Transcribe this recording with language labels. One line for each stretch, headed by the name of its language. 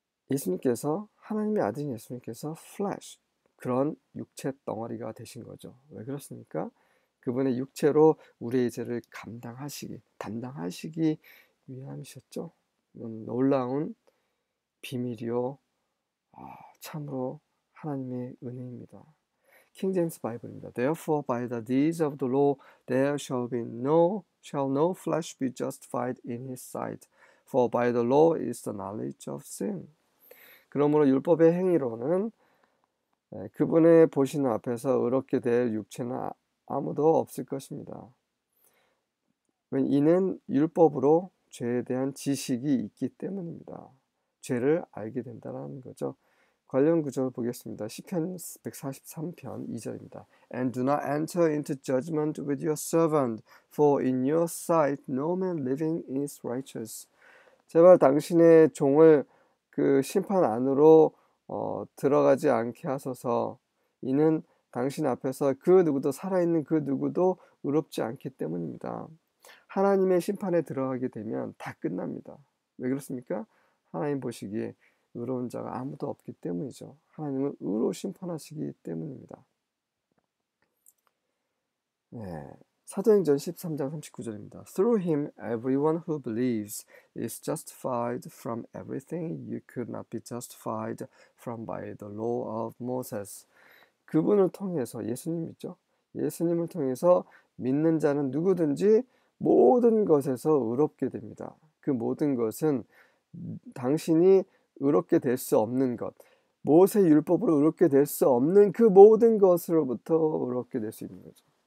Korean: 예수님께서, 하나님의 아들인 예수님께서 flesh, 그런 육체 덩어리가 되신 거죠. 왜 그렇습니까? 그분의 육체로 우리의 죄를 담당하시기 위함이셨죠. 놀라운 비밀이요. 참으로 하나님의 은혜입니다.
English: King James Bible입니다. Therefore, by the deeds of the law, shall no flesh be justified in his sight, for by the law is the knowledge of sin.
Korean: 그러므로 율법의 행위로는 그분의 보시는 앞에서 의롭게 될 육체는 아무도 없을 것입니다. 이는 율법으로 죄에 대한 지식이 있기 때문입니다. 죄를 알게 된다는 거죠. 관련 구절 보겠습니다. 시편 143편 2절입니다.
English: And do not enter into judgment with your servant, for in your sight no man living is righteous.
Korean: 제발 당신의 종을 그 심판 안으로 들어가지 않게 하소서. 이는 당신 앞에서 그 누구도 살아있는 그 누구도 의롭지 않기 때문입니다. 하나님의 심판에 들어가게 되면 다 끝납니다. 왜 그렇습니까? 하나님 보시기에 의로운 자가 아무도 없기 때문이죠. 하나님은 의로 심판하시기 때문입니다. 네, 사도행전 13장 39절입니다.
English: Through him, everyone who believes is justified from everything you could not be justified from by the law of Moses.
Korean: 그분을 통해서, 예수님 있죠? 예수님을 통해서 믿는 자는 누구든지 모든 것에서 의롭게 됩니다. 그 모든 것은 당신이 의롭게 될수 없는 것, 모세 율법으로 의롭게 될수 없는 그 모든 것으로부터 의롭게 될수 있는 거죠.